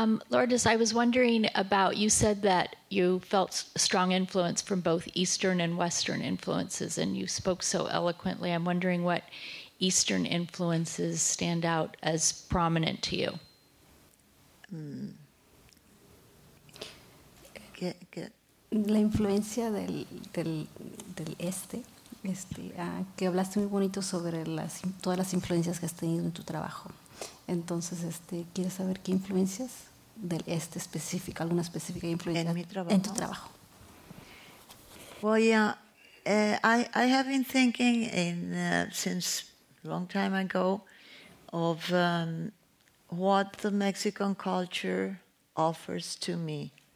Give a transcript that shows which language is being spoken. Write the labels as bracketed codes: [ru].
[en] Lourdes, I was wondering about, you said that you felt strong influence from both Eastern and Western influences, and you spoke so eloquently. I'm wondering what Eastern influences stand out as prominent to you. [es] La influencia del este, que hablaste muy bonito sobre todas las influencias que has tenido en tu trabajo. Entonces, ¿quieres saber qué influencias del este específico, alguna específica influencia en, en tu trabajo? [en] Well, yeah, I have been thinking since a long time ago of what the Mexican culture offers to me.